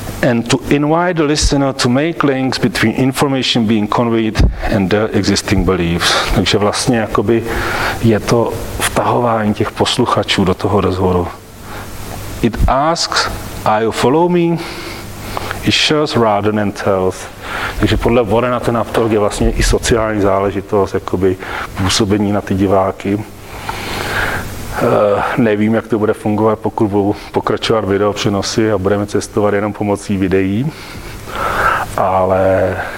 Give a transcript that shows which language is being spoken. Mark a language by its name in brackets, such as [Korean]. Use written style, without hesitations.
[English] And to invite the listener to make links between information being conveyed and their existing beliefs. [Czech] Takže vlastně jakoby je to vtahování těch posluchačů do toho rozhovoru. [English] It asks, are you follow me? It shows rather than tells. [Czech] Takže podle Warrena ten aptolk je vlastně i sociální záležitost, jakoby působení na ty diváky. Nevím, jak to bude fungovat, pokud budou pokračovat video přenosy a budeme cestovat jenom pomocí videí. Ale